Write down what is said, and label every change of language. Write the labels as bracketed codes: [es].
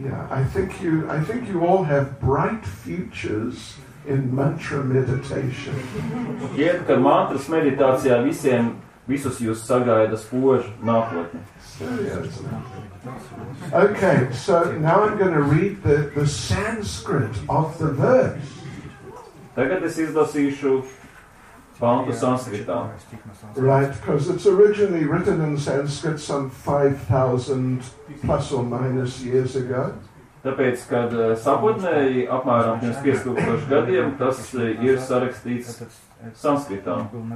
[en] I think you all have bright futures in mantra meditation. [lv] Iet, ka mantras meditācijā visiem visus jūs sagaida spoža nākotne. [en] Okay, so now I'm going to read the Sanskrit of the verse. [lv] Tagad es izlasīšu pantu sanskritā. [en] Right, because it's originally written in Sanskrit some 5,000 plus or minus years ago. [lv] Tāpēc, kad sākotnēji apmēram 5000 gadiem, tas ir sarakstīts sanskritā.